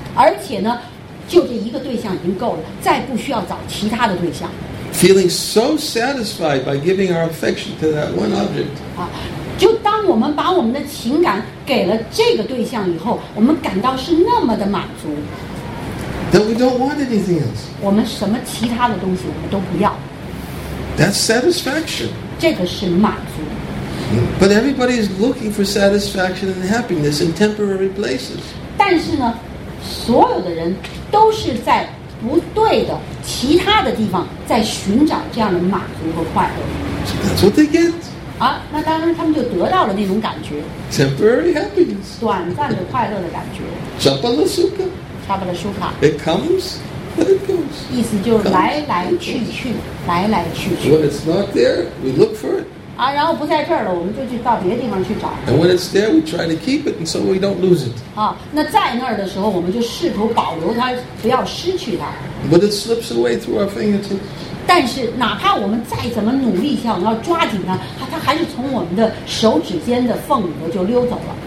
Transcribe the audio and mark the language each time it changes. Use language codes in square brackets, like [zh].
[zh] 而且呢，就这一个对象已经够了，再不需要找其他的对象。 [en] Feeling so satisfied by giving our affection to that one object. [zh] 就当我们把我们的情感给了这个对象以后，我们感到是那么的满足。 [en] That we don't want anything else. [zh] 我们什么其他的东西我们都不要。 [en] That's satisfaction. [zh] 这个是满足。 [en] But everybody is looking for satisfaction and happiness in temporary places. [zh] 但是呢，所有的人都是在不对的其他的地方在寻找这样的满足和快乐。 [en] That's what they get. [zh] 那当然他们就得到了那种感觉。 [en] Temporary happiness. [zh] 短暂的快乐的感觉。 [sa] Chapalasuka. Chapalasuka. [en] It comes. [zh] 意思就是来来去去，来来去去。 [en] When it's not there, we look for it. [zh] 然后不在这儿了，我们就去到别的地方去找。 [en] And when it's there, we try to keep it, and so we don't lose it. [zh] 那在那儿的时候，我们就试图保留它，不要失去它。 [en] But it slips away through our fingertips. [zh] 但是哪怕我们再怎么努力，想要抓紧它，它还是从我们的手指间的缝里头就溜走了。